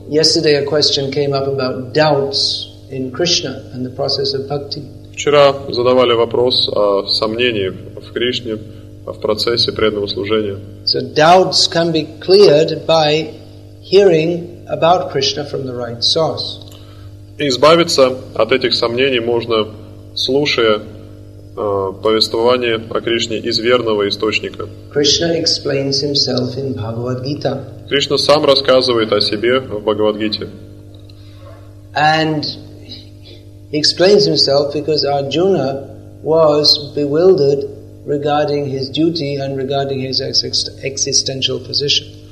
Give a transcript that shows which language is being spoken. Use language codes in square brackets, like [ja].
[en] Yesterday a question came up about doubts in Krishna and the process of bhakti. [ru] Вчера задавали вопрос о сомнении в Кришне, в процессе преданного служения. [en] So doubts can be cleared by hearing about Krishna from the right source. [ru] Избавиться от этих сомнений можно, слушая повествование о Кришне из верного источника. [en] Krishna explains himself in Bhagavad Gita. [ru] Кришна сам рассказывает о себе в Бхагавад-гите. [en] And he explains himself because Arjuna was bewildered regarding his duty and regarding his existential position.